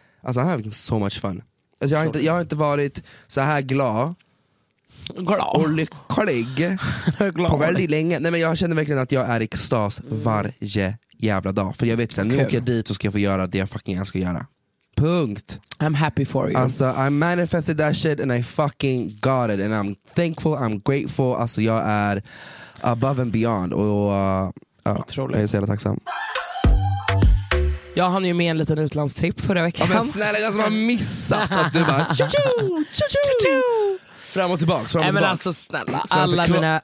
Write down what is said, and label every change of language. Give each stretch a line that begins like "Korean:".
Swedish: Alltså det här är
English: so much fun.
Swedish: Alltså, jag har inte varit så här glad. Och lycklig. Glad. På väldigt länge. Nej, men jag känner verkligen att jag är i extas varje jävla dag. För jag vet att nu åker jag dit och ska jag få göra det jag fucking ska göra. Punkt.
English: I'm happy for you. Alltså, I manifested that shit and I fucking got it. And I'm thankful, I'm grateful.
Swedish: Alltså, jag är
English: above and beyond.
Swedish: Otroligt. Jag är så jävla tacksam. Jag hann ju med en liten utlandstripp förra veckan. Ja, men snälla, jag som har missat att du bara tju-tju. Fram och tillbaks, fram och tillbaks. Nej, men alltså snälla.